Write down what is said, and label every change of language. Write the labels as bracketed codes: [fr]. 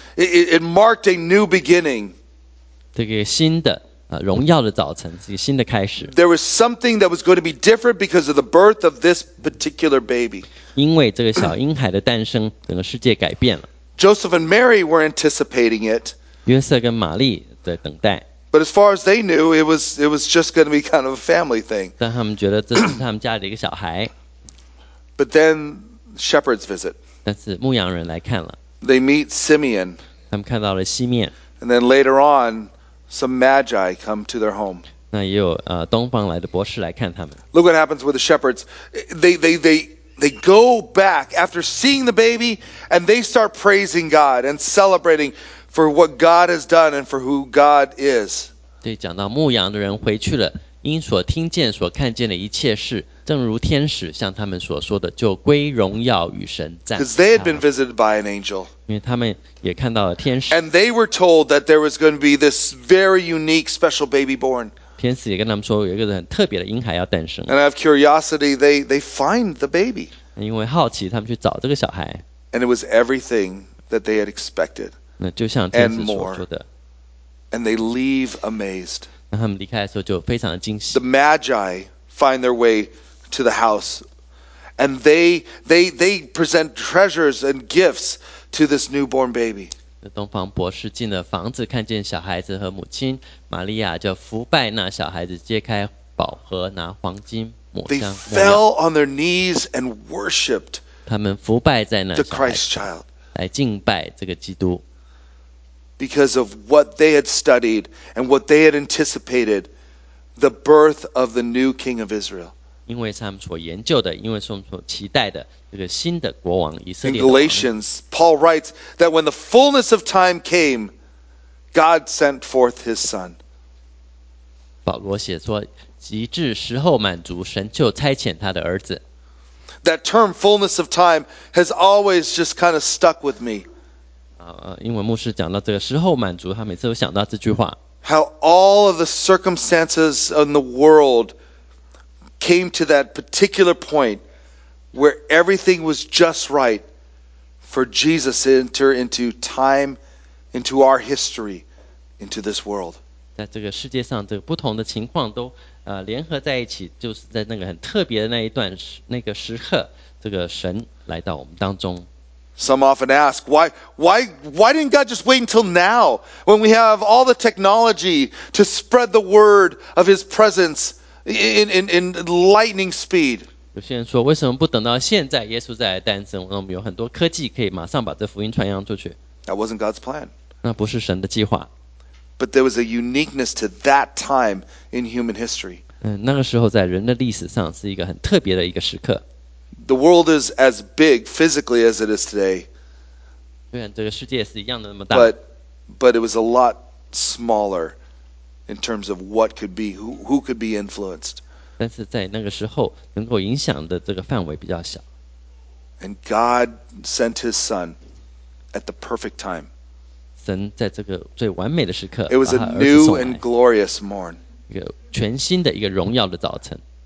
[en] It marked a new beginning. [zh] 这个新的荣耀的早晨，这个新的开始。 [en] There was something that was going to be different because of the birth of this particular baby. [zh] 因为这个小婴孩的诞生，整个世界改变了。 [en] Joseph and Mary were anticipating it. [zh] 约瑟跟玛丽在等待。 [en] But as far as they knew, it was just going to be kind of a family thing. [zh] 但他们觉得这是他们家里的一个小孩。 [en] But then shepherds visit. [zh] 但是牧羊人来看了。 [en] They meet Simeon. [zh] 他们看到了西面。 [en] And then later on. Some magi come to their home. [zh] 那也有东方来的博士来看他们。 [en] Look what happens with the shepherds. They go back after seeing the baby, and they start praising God and celebrating for what God has done and for who God is. [zh] 对，讲到牧羊的人回去了，因所听见、所看见的一切事，正如天使向他们所说的，就归荣耀与神赞。 [en] Because they had been visited by an angel. [zh] 因为他们也看到了天使。 [en] And they were told that there was going to be this very unique, special baby born. [zh] 天使也跟他们说有一个很特别的婴孩要诞生。 [en] And out of curiosity, they find the baby. [zh] 因为好奇他们去找这个小孩。 [en] And it was everything that they had expected. [zh] 那就像天使所说的。 [en] And they leave amazed. [zh] 那他们离开的时候就非常的惊喜。 [en] The magi find their way to the house. And they present treasures and gifts. To this newborn baby. [zh] 东方博士进了房子，看见小孩子和母亲，玛利亚就伏拜那小孩子，揭开宝盒，拿黄金、抹香、 [en] They fell on their knees and worshipped. [zh] 他们伏拜在那 [en] The Christ child. [zh] 来敬拜这个基督。 [en] Because of what they had studied and what they had anticipated, the birth of the new king of Israel. [zh] 因为是他们所研究的，因为是他们所期待的这个新的国王以色列。 [en] In Galatians, Paul writes that when the fullness of time came, God sent forth His Son. [zh] 保罗写说，极至时候满足，神就差遣他的儿子。 [en] That term "fullness of time" has always just kind of stuck with me. [zh] 因为牧师讲到这个时候满足，他每次都想到这句话。 [en] How all of the circumstances in the world. Came to that particular point where everything was just right for Jesus to enter into time, into our history, into this world. [zh] 在这个世界上，这个不同的情况都联合在一起，就是在那个很特别的那一段那个时刻，这个神来到我们当中。 [en] Some often ask, why didn't God just wait until now when we have all the technology to spread the word of His presence? In lightning speed. [zh] 有些人说，为什么不等到现在耶稣再来诞生？我们有很多科技可以马上把这福音传扬出去。 [en] That wasn't God's plan. [zh] 那不是神的计划。 [en] But there was a uniqueness to that time in human history. [zh] 那个时候在人的历史上是一个很特别的一个时刻。 [en] The world is as big physically as it is today. [zh] 虽然这个世界是一样的那么大。 [en] But it was a lot smaller. In terms of what could be, who could be influenced. [zh] 但是在那个时候，能够影响的这个范围比较小。 [en] And God sent His Son at the perfect time. [zh] 神在这个最完美的时刻。 [en] It was a new and glorious morn. [zh] 一个全新的一个荣耀的早晨。